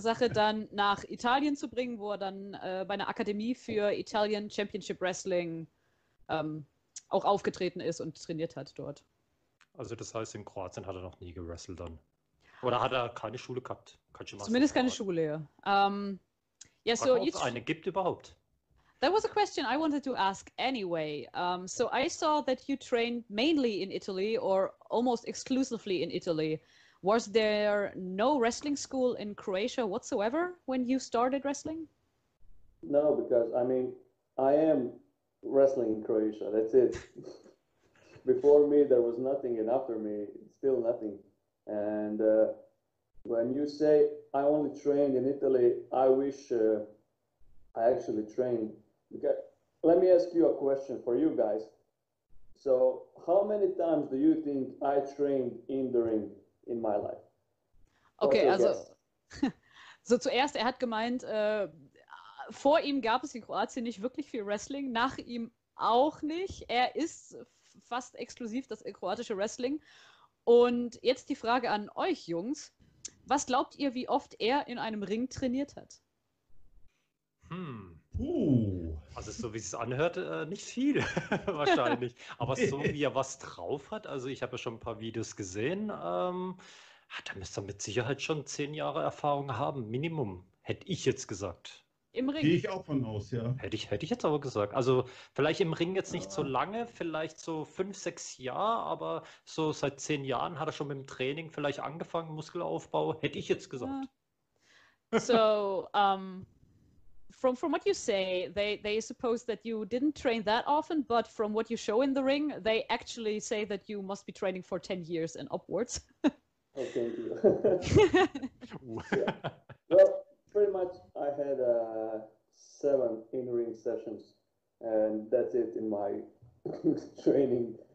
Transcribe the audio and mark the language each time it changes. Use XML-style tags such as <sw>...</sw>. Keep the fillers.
<de>Sache dann nach Italien zu bringen, wo er dann äh, bei einer Akademie für Italian Championship Wrestling ähm, auch aufgetreten ist und trainiert hat dort. Also das heißt, in Kroatien hat er noch nie gewrestelt dann. Oder hat er keine Schule gehabt? Kein Zumindest gehabt. keine Schule, ja. Um, yeah, Aber so auch, ob es eine gibt überhaupt.</de> <en>That was a question I wanted to ask anyway. Um, so I saw that you train mainly in Italy or almost exclusively in Italy. was there no wrestling school in Croatia whatsoever when you started wrestling? No, because I mean, I am wrestling in Croatia. That's it. Before me, there was nothing, and after me, still nothing. And uh, when you say I only trained in Italy, I wish uh, I actually trained. Okay. Let me ask you a question for you guys. So, how many times do you think I trained in the ring? in my life. Don't okay, also, guess.</en> <de>so zuerst, er hat gemeint, äh, vor ihm gab es in Kroatien nicht wirklich viel Wrestling, nach ihm auch nicht. Er ist fast exklusiv das kroatische Wrestling. Und jetzt die Frage an euch Jungs. Was glaubt ihr, wie oft er in einem Ring trainiert hat? Hm, Uh. Oh. Also so wie es anhört, äh, nicht viel wahrscheinlich. Aber so wie er was drauf hat, also ich habe ja schon ein paar Videos gesehen, ähm, ach, da müsste er mit Sicherheit schon zehn Jahre Erfahrung haben, Minimum, hätte ich jetzt gesagt. Im Ring. Gehe ich auch von aus, ja. Hätte ich, hätte ich jetzt aber gesagt. Also vielleicht im Ring jetzt nicht ja. so lange, vielleicht so fünf, sechs Jahre, aber so seit zehn Jahren hat er schon mit dem Training vielleicht angefangen, Muskelaufbau, hätte ich jetzt gesagt. Ja. So, ähm. Um...</de> <en>from from what you say, they they suppose that you didn't train that often. But from what you show in the ring, they actually say that you must be training for ten years and upwards. oh, thank you. yeah. well, pretty much, I had uh, seven in-ring sessions, and that's it in my training.</en>